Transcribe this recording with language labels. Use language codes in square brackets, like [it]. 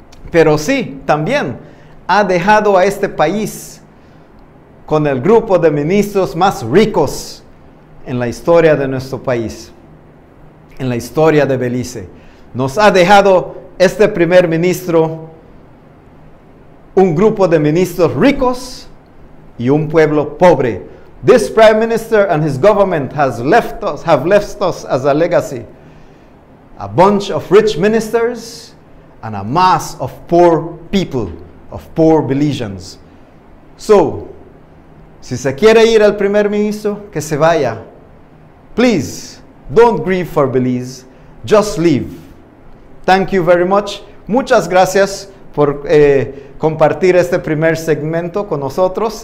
[es] Pero sí, también ha dejado a este país con el grupo de ministros más ricos en la historia de nuestro país. En la historia de Belice, nos ha dejado este primer ministro un grupo de ministros ricos y un pueblo pobre. [en] This prime minister and his government have left us as a legacy, a bunch of rich ministers and a mass of poor people, of poor Belizeans. [es] So, si se quiere ir al primer ministro, que se vaya. [en] Please, don't grieve for Belize, just leave. Thank you very much. [es] Muchas gracias por compartir este primer segmento con nosotros.